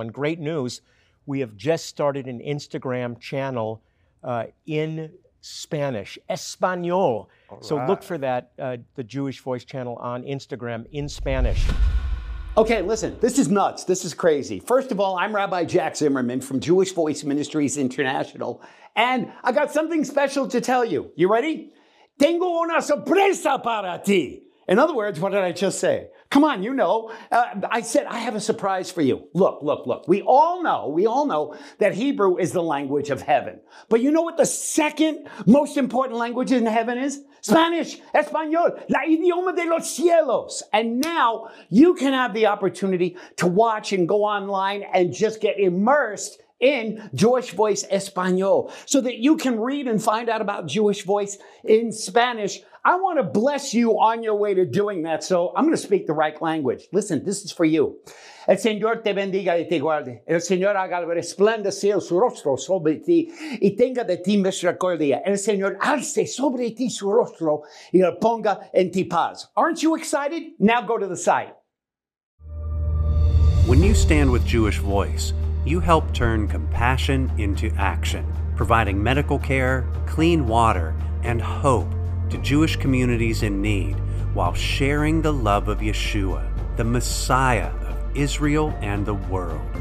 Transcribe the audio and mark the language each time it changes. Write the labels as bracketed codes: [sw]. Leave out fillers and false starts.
[en] And great news, we have just started an Instagram channel in Spanish, Español. All right. So look for that, the Jewish Voice channel on Instagram in Spanish. Okay, listen, this is nuts. This is crazy. First of all, I'm Rabbi Jack Zimmerman from Jewish Voice Ministries International, and I got something special to tell you. You ready? [es] Tengo una sorpresa para ti. [en] In other words, what did I just say? Come on, you know. I said, I have a surprise for you. Look. We all know that Hebrew is the language of heaven. But you know what the second most important language in heaven is? [es] Spanish, Español, la idioma de los cielos. [en] And now you can have the opportunity to watch and go online and just get immersed in Jewish Voice Español so that you can read and find out about Jewish Voice in Spanish. I want to bless you on your way to doing that. So I'm going to speak the right language. Listen, this is for you. [es] El Señor te bendiga y te guarde. El Señor haga resplandecer su rostro sobre ti y tenga de ti misericordia. El Señor alce sobre ti su rostro y lo ponga en ti paz. [en] Aren't you excited? Now go to the site. When you stand with Jewish Voice, you help turn compassion into action, providing medical care, clean water, and hope to Jewish communities in need while sharing the love of Yeshua, the Messiah of Israel and the world.